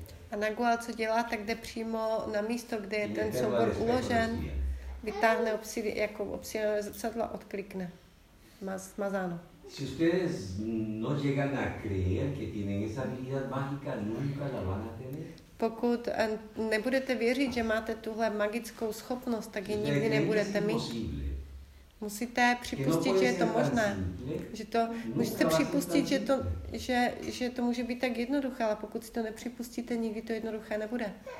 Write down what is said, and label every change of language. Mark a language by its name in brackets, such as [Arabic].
[Czech] A Nahual, co dělá, tak jde přímo na místo, kde je ten soubor uložen, vytáhne obsidianové zrcadlo, odklikne. Smazáno. [Spanish] Si ustedes no llegan a creer que tienen esa habilidad mágica, nunca la van a tener. [Czech] Pokud nebudete věřit, že máte tuhle magickou schopnost, tak ji nikdy nebudete mít. Musíte připustit, že je to možné. Že to, musíte připustit, že to může být tak jednoduché, ale pokud si to nepřipustíte, nikdy to jednoduché nebude.